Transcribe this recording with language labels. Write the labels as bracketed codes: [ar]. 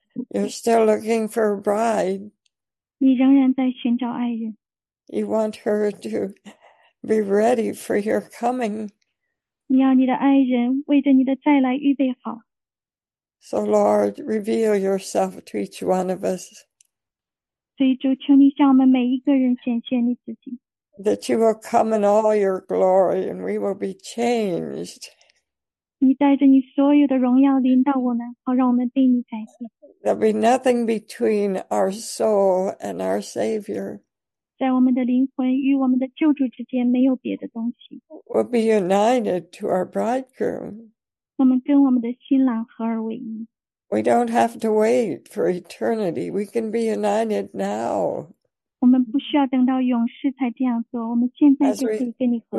[en] You're still looking for a bride. [zh] 你仍然在寻找爱人。 [en] You want her to be ready for your coming. [zh] 你要你的爱人为着你的再来预备好。 [en] So, Lord, reveal yourself to each one of us. [zh] 所以主，求你向我们每一个人显现你自己。 [en] That you will come in all your glory and we will be changed. [zh] 你带着你所有的荣耀临到我们，好让我们被你改变。 [en] There'll be nothing between our soul and our Savior. [zh] 在我们的灵魂与我们的救主之间，没有别的东西。 [en] We'll be united to our bridegroom. [zh] 我们跟我们的新郎合而为一。 [en] We don't have to wait for eternity. We can be united now. [zh] 我们不需要等到永世才这样做，我们现在就可以跟你合